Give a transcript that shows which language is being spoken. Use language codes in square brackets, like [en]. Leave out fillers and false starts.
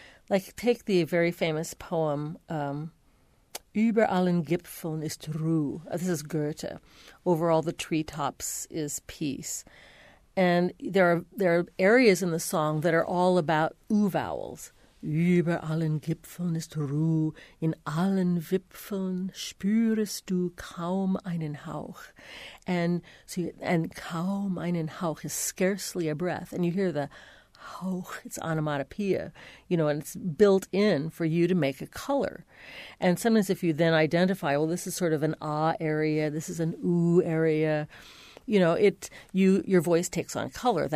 [en] Like, take the very famous poem, [de] Über allen Gipfeln ist Ruhe. [en] This is Goethe. Over all the treetops is peace. And there are areas in the song that are all about U vowels. [de] Über allen Gipfeln ist Ruhe, in allen Wipfeln spürest du kaum einen Hauch. [en] And [de] kaum einen Hauch [en] is scarcely a breath. And you hear the Hauch, it's onomatopoeia, you know, and it's built in for you to make a color. And sometimes if you then identify, well, this is sort of an ah area, this is an oo area, you know, your voice takes on color.